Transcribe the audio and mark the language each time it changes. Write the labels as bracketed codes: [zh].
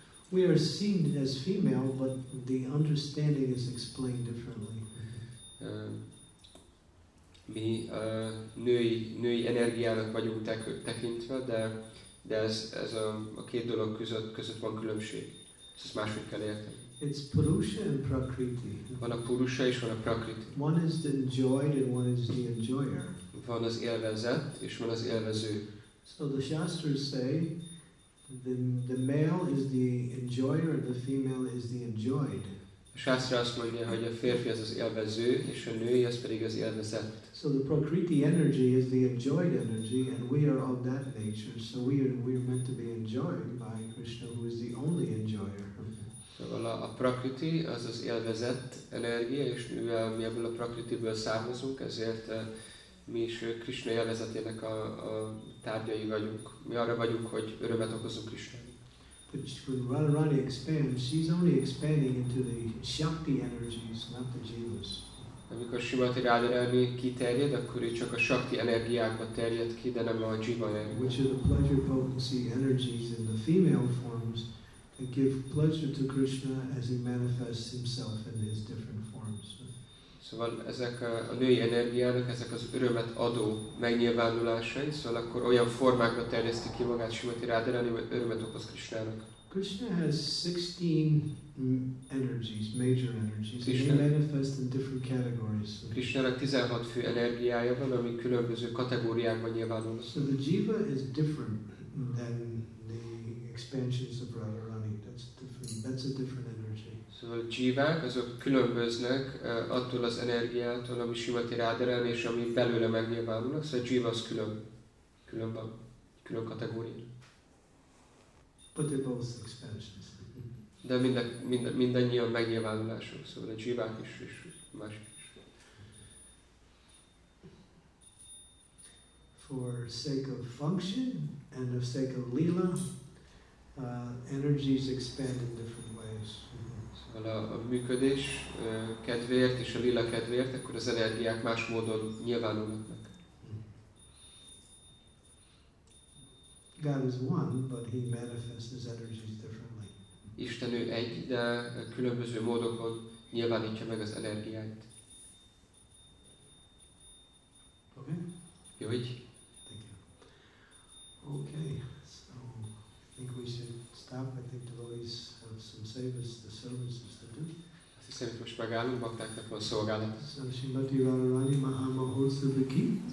[en] We are seen as female, but the understanding is explained differently. [hu] Mi női energiának vagyunk tekintve, de ez a két dolog között van különbség. Ezt máshogy kell érteni. [en] It's Purusha and Prakriti. [hu] Van a Purusha és van a Prakriti. [en] One is the enjoyed and one is the enjoyer. [hu] Van az élvezett és van az élvező. [en] So the Shastras say the male is the enjoyer and the female is the enjoyed. [hu] A Shastra azt mondja, hogy a férfi az élvező, és a női az pedig az élvezett. [en] So the Prakriti energy is the enjoyed energy, and we are of that nature. So we are meant to be enjoyed by Krishna, who is the only enjoyer. [hu] Szóval a Prakriti az az élvezett energia, és mivel mi ebből a Prakritiből származunk, ezért mi is Krishna élvezetének a tárgyai vagyunk. Mi arra vagyunk, hogy örömet okozunk Krishna. [en] When Radharani expands, she's only expanding into the Shakti energies, not the jivas. [hu] Amikor Srimati Radharani kiterjed, akkor ő csak a Shakti energiákba terjed ki, de nem a jiva energiákba. [en] Which are the pleasure potency energies in the female forms that give pleasure to Krishna as he manifests himself in his different forms. [hu] Szóval ezek a női energiának, ezek az örömet adó megnyilvánulásai, szóval akkor olyan formákba terjeszti ki magát Srimati Radharani, hogy örömet okoz Krishnának. [en] Krishna has 16 energies, major energies, and they manifest in different categories. [hu] Krishnának 16 fő energiája van, ami különböző kategóriákban nyilvánul. [en] So the jiva is different than the expansions of Radharani. That's a different energy. [hu] Szóval a jivák, azok különböznek attól az energiától, ami Srimati Radharán és ami belőle megnyilvánulnak, szóval a jiva az külön kategória. [en] But they're both expansions. [hu] De mindannyian megnyilvánulások, szóval a jivák is, és más is. [en] For sake of function and of sake of lila, energies expand in different ways. [hu] A működés kedvéért és a lila kedvéért, akkor az energiák más módon nyilvánulnak meg. [en] God is one, but he manifests his energies differently. [hu] Isten ő egy, de különböző módokon nyilvánítja meg az energiáit. [en] Okay. [hu] Jó, így? [en] Thank you. Okay, so I think we should stop. I think the boys have some service, the service is [hu] szerint most megállunk, baktáknak van szolgálat. Szóval Srimati Radharani Mahamahosszabhi ki.